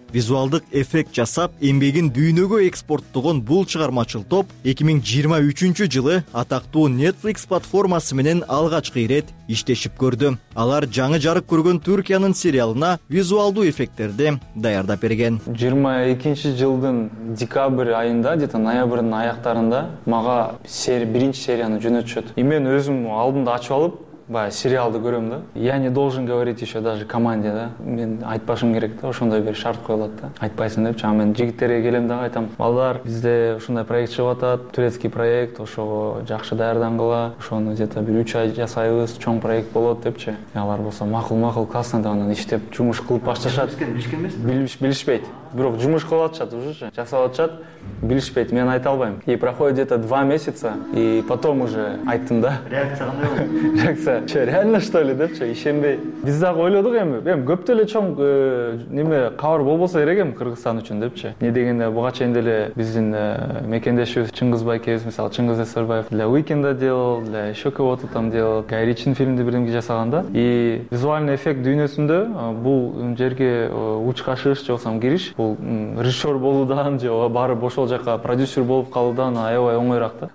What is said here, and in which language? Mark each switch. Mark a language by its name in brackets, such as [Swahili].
[Kyrgyz] Визуалдык эффект жасап, эмгегин дүйнөгө экспорттогон бул чыгармачыл топ 2023 жылы атактуу Netflix платформасы менен алгачкы ирет иштешип көрдү. Алар жаңы жарык көргөн Түркиянын сериалына визуалдуу эффектерди даярдап берген. 22 жылдын декабрь айында, где-то ноябрдын аяктарында мага биринчи серияны жөнөтүшөт. И мен өзүм алдымда ачып алып баягы сериалды көрөм да. [Russian] Я не должен говорить еще даже команде да. [Kyrgyz] Мен айтпашым керек да, ошондой бир шарт коюлат да. Айтпайсың депчи, а мен жигиттерге келем дагы айтам. Балдар, бизде ушундай проект чыгып атат, турецкий проект, ошого жакшы даярдангыла, ошону где-то бир 3 ай жасайбыз, чоң проект болот депчи. Алар болсо макул макул, классно деп анан иштеп жумуш кылып башташат. Билишпейт. Бирок жумуш кылып атышат ужечи, жасап атышат, билишпейт, мен айта албайм. [Russian] И проходит где-то 2 месяца, и потом уже [Kyrgyz] айттым да. Реакция кандай болду? [Russian] Реакция че, реально что ли [Kyrgyz] депчи, ишенбей. Биз дагы ойлодук эми, эми көптө эле чоң неме кабар болбосо керек эми Кыргызстан үчүн депчи. Эмне дегенде буга чейин деле биздин мекендешибиз Чыңгыз байкебиз, мисалы Чыңгыз Назарбаев [Russian] для Уикенда делал, для еще кого-то там делал, [Kyrgyz] Гай Ричинин фильмди биримге жасаган да. [Russian] И визуальный эффект [Kyrgyz] дүйнөсүндө бул жерге учкашыш же болсо кириш, бул режиссер болуудан же барып ошол жака продюсер болуп калуудан аябай оңойраак да.